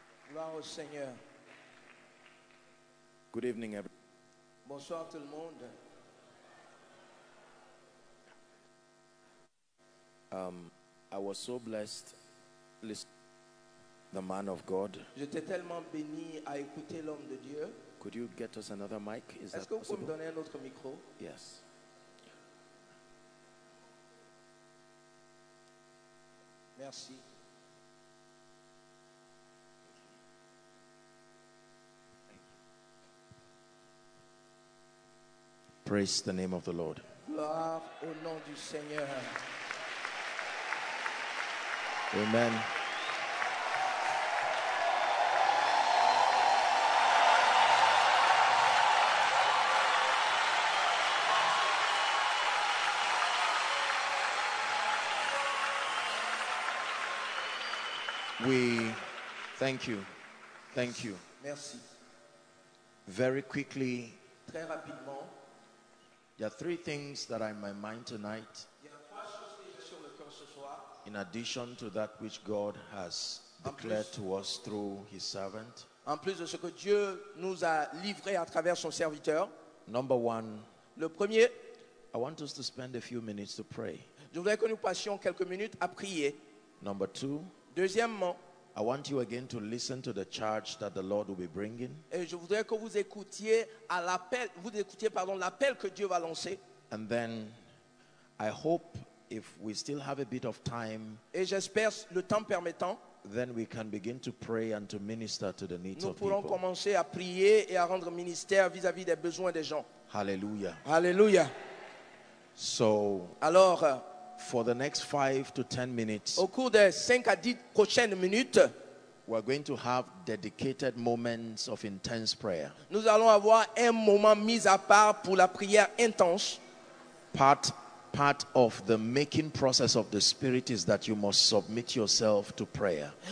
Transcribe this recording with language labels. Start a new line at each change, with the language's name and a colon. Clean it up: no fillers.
French: Gloire au Seigneur.
English: Good evening, everyone.
French: Bonsoir tout le monde.
English: I was so blessed listening to the man of God.
French: J'étais tellement béni à écouter l'homme de Dieu.
English: Could you get us another mic? Is
French: Est-ce
English: that possible?
French: Me donner un autre micro?
English: Yes.
French: Merci.
English: Praise the name of the Lord.
French: Gloire au nom du Seigneur.
English: Amen. We thank you. Thank you.
French: Merci.
English: Very quickly.
French: Très rapidement.
English: There are three things that are in my mind tonight.
French: Il y a trois choses que j'ai sur le cœur ce soir.
English: In addition to that which God has declared to us through his servant.
French: En plus de ce que Dieu nous a livré à travers son serviteur.
English: Number one.
French: Le premier.
English: I want us to spend a few minutes to pray.
French: Je voudrais que nous passions quelques minutes à prier.
English: Number two.
French: Deuxièmement,
English: I want you again to listen to the charge that the Lord will be bringing.
French: Et je voudrais que vous écoutiez à l'appel, vous écoutiez pardon, l'appel que Dieu va lancer.
English: And then I hope if we still have a bit of time,
French: et j'espère le temps permettant,
English: then we can begin to pray and to minister to the needs of people.
French: Nous pourrons commencer à prier et à rendre ministère vis-à-vis des besoins des gens. Hallelujah. Hallelujah.
English: So,
French: alors
English: for the next 5 to 10 minutes,
French: au cours des 5 à 10 prochaines minutes,
English: we are going to have dedicated moments of intense prayer.
French: Nous allons avoir un moment mis à part pour la prière intense.
English: Part of the making process of the Spirit is that you must submit yourself to prayer.